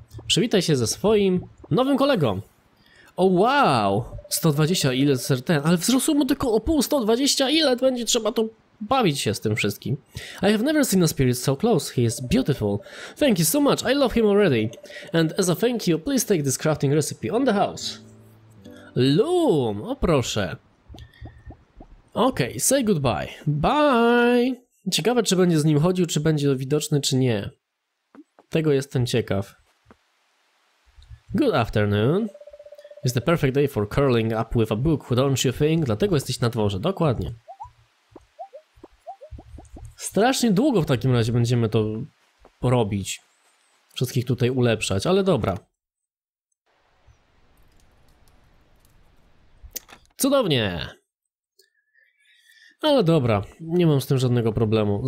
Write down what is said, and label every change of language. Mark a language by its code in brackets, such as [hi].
[pl] Przywitaj się ze swoim nowym kolegą. O, oh, wow! 120, ile CRT? Ale wzrosło mu tylko o pół 120, ile będzie trzeba to bawić się z tym wszystkim. [en] I have never seen a spirit so close. He is beautiful. Thank you so much. I love him already. And as a thank you, please take this crafting recipe on the house. [pl] Loom! O, proszę. Okej, okay, [en] say goodbye. Bye! [pl] Ciekawe, czy będzie z nim chodził, czy będzie widoczny, czy nie. Tego jestem ciekaw. [en] Good afternoon. It's the perfect day for curling up with a book, don't you think? [pl] Dlatego jesteś na dworze, dokładnie. Strasznie długo w takim razie będziemy to robić. Wszystkich tutaj ulepszać, ale dobra. Cudownie! Ale dobra, nie mam z tym żadnego problemu.